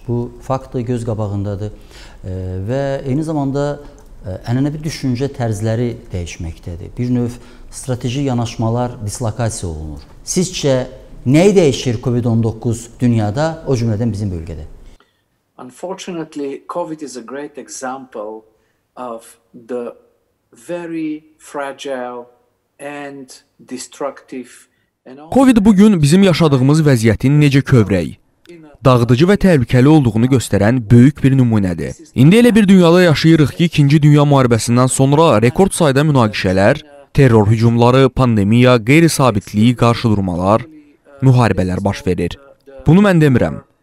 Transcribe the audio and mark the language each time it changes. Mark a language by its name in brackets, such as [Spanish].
[Azerbaijani] Bu fakt da göz qabağındadır və eyni zamanda ənənəvi düşüncə tərzləri dəyişməkdədir. Bir növ strateji yanaşmalar dislokasiya olunur. Sizcə nəyi dəyişir COVID-19 dünyada, o cümlədən bizim bölgədə? [English] Unfortunately, COVID is a great example of the very fragile and destructive. [Azerbaijani] COVID bugün bizim yaşadığımız vəziyyətin necə kövrək, dağıdıcı və təhlükəli olduğunu göstərən böyük bir nümunədir. İndi elə bir dünyada yaşayırıq ki, 2-ci dünya müharibəsindən sonra rekord sayda münaqişələr, terror hücumları, pandemiya, qeyri-sabitliyi, qarşıdurmalar, müharibələr baş verir. Bunu mən demirəm.